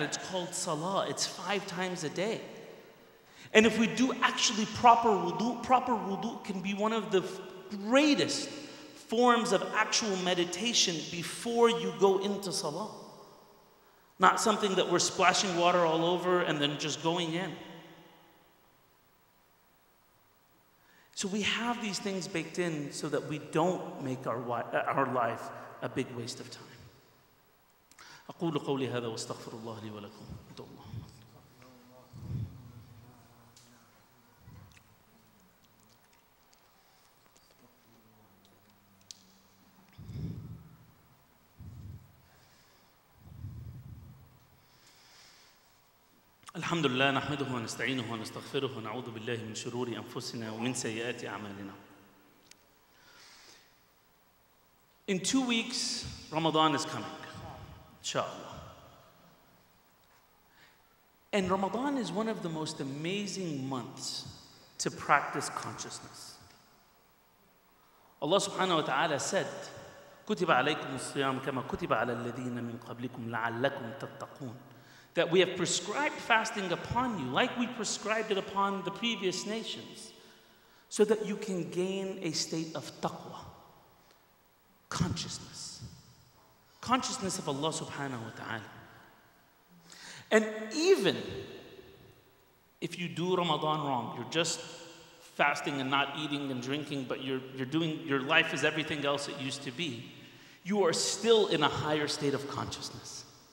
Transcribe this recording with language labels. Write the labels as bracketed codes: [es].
[en] It's called salah. It's 5 times a day. And if we do actually proper wudu can be one of the greatest forms of actual meditation before you go into salah. Not something that we're splashing water all over and then just going in. So we have these things baked in so that we don't make our life a big waste of time. [ar] أقول قولي هذا واستغفر الله لي ولكم. الحمد لله نحمده ونستعينه ونستغفره ونعوذ بالله من شرور أنفسنا ومن سيئات أعمالنا. [en] In 2 weeks, Ramadan is coming, inshallah. And Ramadan is one of the most amazing months to practice consciousness. Allah subhanahu wa ta'ala said, [ar] كتب عليكم الصيام كما كتب على الذين من قبلكم لعلكم تتقون. [en] That we have prescribed fasting upon you like we prescribed it upon the previous nations so that you can gain a state of taqwa, consciousness. Consciousness of Allah subhanahu wa ta'ala. And even if you do Ramadan wrong, you're just fasting and not eating and drinking, but your life is everything else it used to be, you are still in a higher state of consciousness.